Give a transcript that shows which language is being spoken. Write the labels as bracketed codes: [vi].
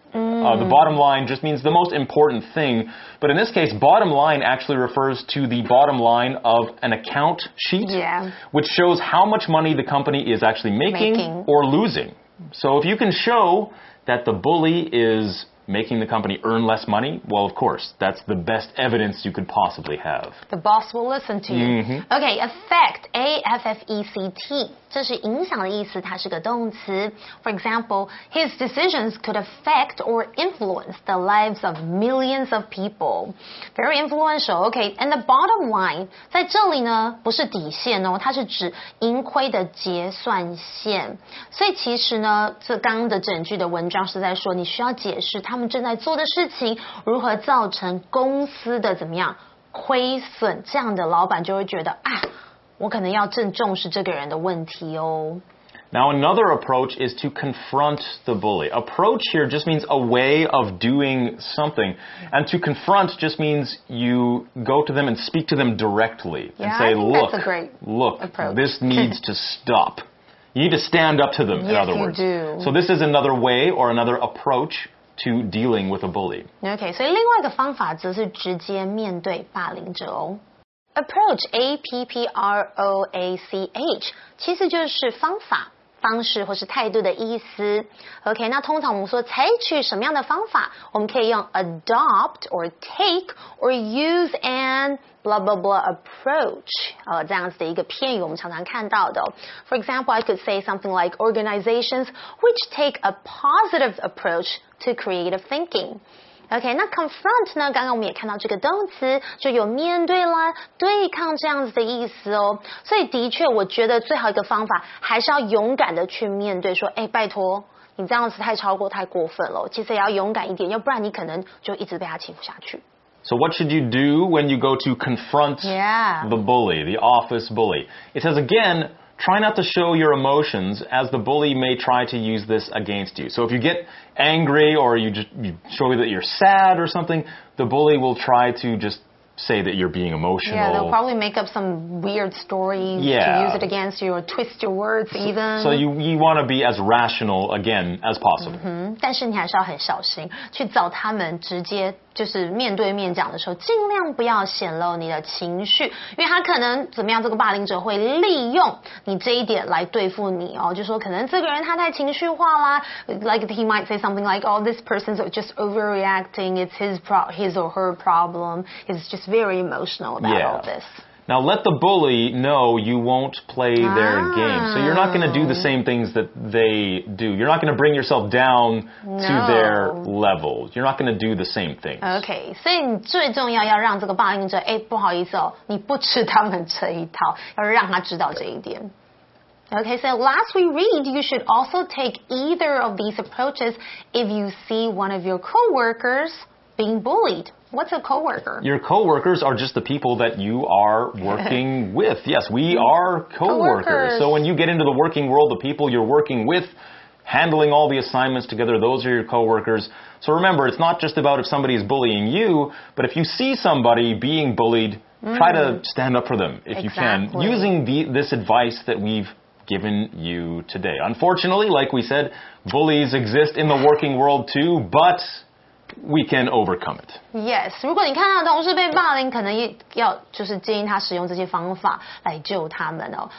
[en] The bottom line just means the most important thing. But in this case, bottom line actually refers to the bottom line of an account sheet, which shows how much money the company is actually making or losing. So if you can show that the bully is making the company earn less money, well, of course, that's the best evidence you could possibly have. The boss will listen to you. Mm-hmm. Okay, affect, A-F-F-E-C-T. [zh] 这是影响的意思，它是个动词。 [en] For example, his decisions could affect or influence the lives of millions of people. Very influential, okay. And the bottom line, [zh] 在这里呢，不是底线哦，它是指盈亏的结算线。所以其实呢，这刚刚的整句的文章是在说，你需要解释他们正在做的事情，如何造成公司的怎么样，亏损，这样的老板就会觉得啊，我可能要正重视这个人的问题哦。 [en] Now, another approach is to confront the bully. Approach here just means a way of doing something. And to confront just means you go to them and speak to them directly. Yeah, and say, look, that's a great approach. This needs to stop. You need to stand up to them, yes, in other words. Yes, you do. So this is another way or another approach to dealing with a bully. [zh] Okay, 所以另外一个方法则是直接面对霸凌者哦。 Approach, A-P-P-R-O-A-C-H, 其实就是方法、方式或是态度的意思。 OK, 那通常我们说采取什么样的方法，我们可以用 [en] adopt or take or use an blah blah blah approach, [zh] 这样子的一个片语我们常常看到的。 [en] For example, I could say something like organizations which take a positive approach to creative thinking. [zh] OK, 那 confront 呢，刚刚我们也看到这个动词，就有面对啦，对抗这样子的意思哦。所以的确，我觉得最好一个方法，还是要勇敢的去面对，说，哎，拜托，你这样子太超过，太过分了。其实也要勇敢一点，要不然你可能就一直被他欺负下去。 [en] So what should you do when you go to confront the bully, the office bully? It says again, try not to show your emotions as the bully may try to use this against you. So if you get angry or you show that you're sad or something, the bully will try to just say that you're being emotional. Yeah, they'll probably make up some weird story to use it against you or twist your words even. So you want to be as rational again as possible. [zh] Mm-hmm. 但是你还是要很小心去找他们直接就是面对面讲的时候尽量不要显露你的情绪因为他可能怎么样这个霸凌者会利用你这一点来对付你哦，就说可能这个人他太情绪化啦 [en] like he might say something like oh this person's just overreacting it's his or her problem he's just very emotional about all this Now let the bully know you won't play their game. So you're not going to do the same things that they do. You're not going to bring yourself down to their level. You're not going to do the same things. [zh] Okay, 所以你最重要要让这个霸凌者，哎，不好意思哦，你不吃他们这一套，要让他知道这一点。 [en] Okay, so last we read, you should also take either of these approaches if you see one of your coworkers being bullied. What's a coworker? Your coworkers are just the people that you are working with. Yes, we are coworkers. So when you get into the working world, the people you're working with, handling all the assignments together, those are your coworkers. So remember, it's not just about if somebody is bullying you, but if you see somebody being bullied, try to stand up for them if exactly. you can, using this advice that we've given you today. Unfortunately, like we said, bullies exist in the working world too, but we can overcome it. [zh] Yes, 如果你看到同事被霸凌，可能要就是建议他使用这些方法来救他们哦。